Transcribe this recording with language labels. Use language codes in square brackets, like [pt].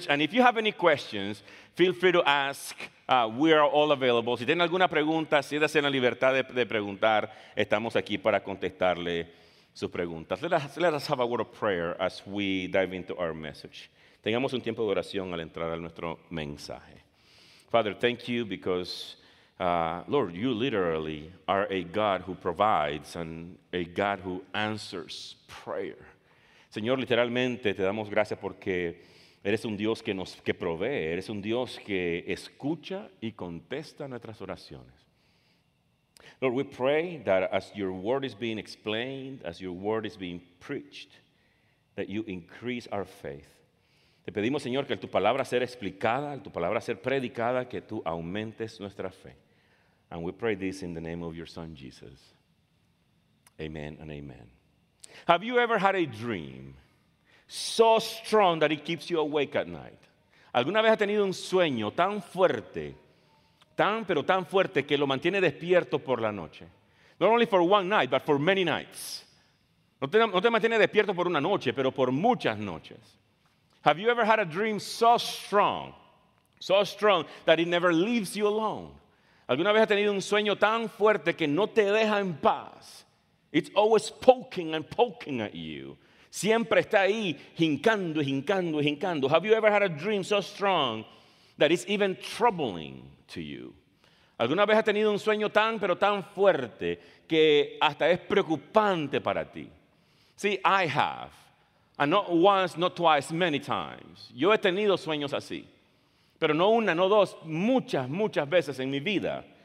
[en] And if you have any questions, feel free to ask. We are all available. [es] Si tienen alguna pregunta, siéntase en la libertad de preguntar. Estamos aquí para contestarle sus preguntas. [en] Let us have a word of prayer as we dive into our message. [es] Tengamos un tiempo de oración al entrar a nuestro mensaje. [en] Father, thank you because, Lord, you literally are a God who provides and a God who answers prayer. [es] Señor, literalmente te damos gracias porque eres un Dios que provee, eres un Dios que escucha y contesta nuestras oraciones. [en] Lord, we pray that as your word is being explained, as your word is being preached, that you increase our faith. [es] Te pedimos, Señor, que tu palabra sea explicada, tu palabra sea predicada, que tú aumentes nuestra fe. [en] And we pray this in the name of your son, Jesus. Amen and amen. Have you ever had a dream so strong that it keeps you awake at night? [es] ¿Alguna vez ha tenido un sueño tan fuerte, tan fuerte que lo mantiene despierto por la noche? [en] Not only for one night, but for many nights. [es] No te mantiene despierto por una noche, pero por muchas noches. [en] Have you ever had a dream so strong that it never leaves you alone? [es] ¿Alguna vez ha tenido un sueño tan fuerte que no te deja en paz? [en] It's always poking and poking at you. [es] Siempre está ahí, hincando y hincando y hincando. [en] Have you ever had a dream so strong that it's even troubling to you? [es] ¿Alguna vez has tenido un sueño tan, pero tan fuerte que hasta es preocupante para ti? [en] See, I have. And not once, not twice, many times. [es] Yo he tenido sueños así. Pero no una, no dos, muchas, muchas veces en mi vida.